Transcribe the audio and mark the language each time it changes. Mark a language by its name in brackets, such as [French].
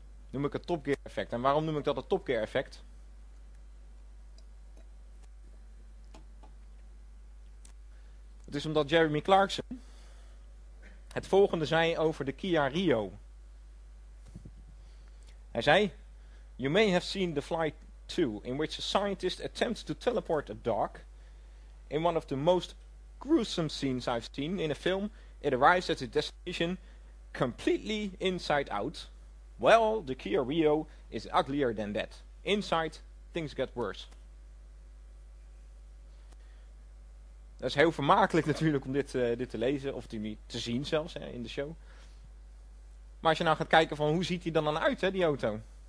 [Dutch] Noem ik het Top Gear effect. En waarom noem ik dat het Top Gear effect? Het is omdat Jeremy Clarkson het volgende zei over de Kia Rio. Hij zei, [English] you may have seen the flight 2 in which a scientist attempts to teleport a dog. In one of the most gruesome scenes I've seen in a film, it arrives at its destination completely inside out. Well, the Kia Rio is uglier than that. Inside, things get worse. [Dutch] Dat is heel vermakelijk natuurlijk om dit te lezen, of te zien zelfs in de show. Maar als je nou gaat kijken van hoe ziet die dan uit, hè, die auto?